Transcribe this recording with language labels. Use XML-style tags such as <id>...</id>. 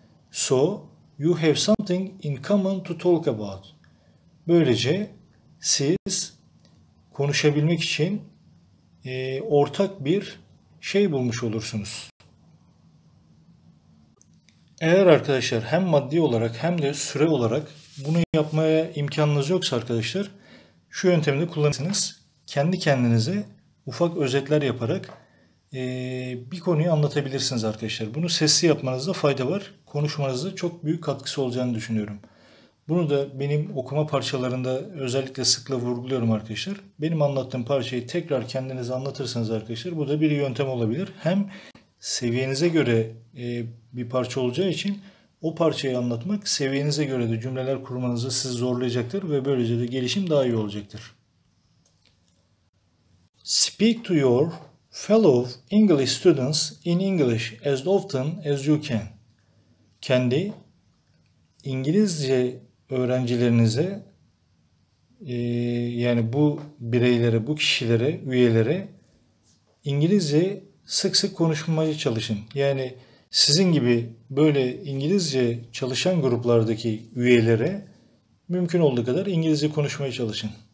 <en>So, you have something in common to talk about.</en> <tr>Böylece siz konuşabilmek için ortak bir şey bulmuş olursunuz. Eğer arkadaşlar hem maddi olarak hem de süre olarak bunu yapmaya imkanınız yoksa arkadaşlar, şu yöntemi de kullanırsınız. Kendi kendinize ufak özetler yaparak bir konuyu anlatabilirsiniz arkadaşlar. Bunu sesli yapmanızda fayda var. Konuşmanızda çok büyük katkısı olacağını düşünüyorum. Bunu da benim okuma parçalarında özellikle sıkla vurguluyorum arkadaşlar. Benim anlattığım parçayı tekrar kendinize anlatırsanız arkadaşlar, bu da bir yöntem olabilir. Hem seviyenize göre bir parça olacağı için o parçayı anlatmak seviyenize göre de cümleler kurmanızı sizi zorlayacaktır ve böylece de gelişim daha iyi olacaktır.</tr> <en>Speak to your fellow English students in English as often as you can.</en> <tr>Kendi İngilizce öğrencilerinize, yani bu bireylere, bu kişilere, üyelere İngilizce sık sık konuşmaya çalışın. Yani sizin gibi böyle İngilizce çalışan gruplardaki üyelere mümkün olduğu kadar İngilizce konuşmaya çalışın.</tr>